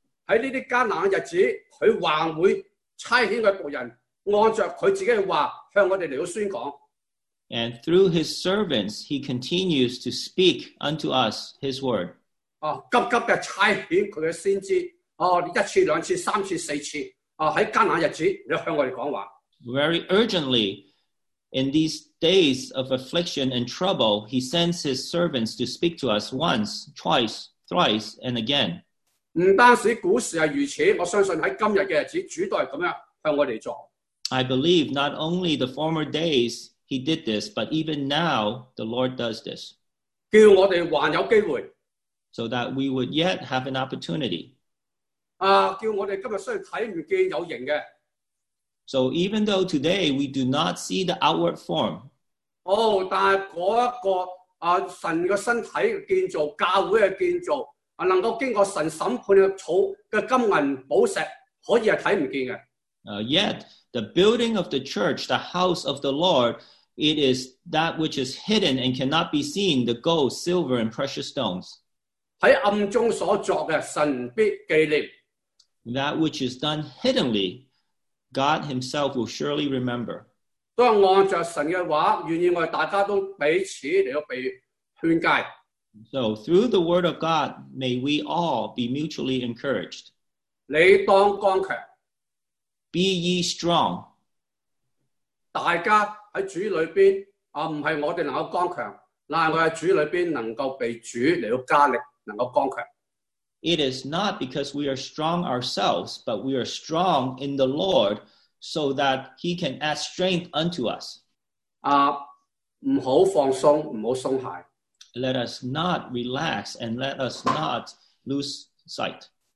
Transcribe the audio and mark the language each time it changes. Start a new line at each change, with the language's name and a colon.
Chinese: 在这些艰难的日子，他还会差遣他仆人，按着他自己的话向我们来宣讲。
English: And through his servants, he continues to speak unto us his word.
Chinese: 急急地差遣他的先知，一次、两次、三次、四次，在艰难的日子来向我们讲话。
English: Very urgently, in these days of affliction and trouble, he sends his servants to speak to us once, twice, thrice, and again.
Chinese: 不单是古时是如此，我相信在今天的日子，主都是这样向我们做。
English: I believe not only the former days he did this, but even now the Lord does this.
Chinese: 叫我们还有机会。
English: So that we would yet have an opportunity.
Chinese: 叫我们今天虽然看不见有形的。
English: So even though today we do not see the outward form.
Chinese: 但那个神的身体的建造，教会的建造，能够经过神审判的草的金银宝石，可以是看不见的。
English: Yet the building of the church, the house of the Lord, it is that which is hidden and cannot be seen, the gold, silver, and precious stones.
Chinese: 在暗中所作的，神必纪念。
English: That which is done hiddenly, God himself will surely remember.
Chinese: 都是按着神的话，愿意我们大家都彼此来被劝戒。
English: So through the word of God, may we all be mutually encouraged.
Chinese: 你当刚强。
English: Be ye strong.
Chinese: 大家在主里边，不是我们能够刚强，乃是我们在主里边能够被主来加力，能够刚强。
English: It is not because we are strong ourselves, but we are strong in the Lord, so that he can add strength unto us.
Chinese: 不要放松，不要松懈。
English: Let us not relax and let us not lose sight.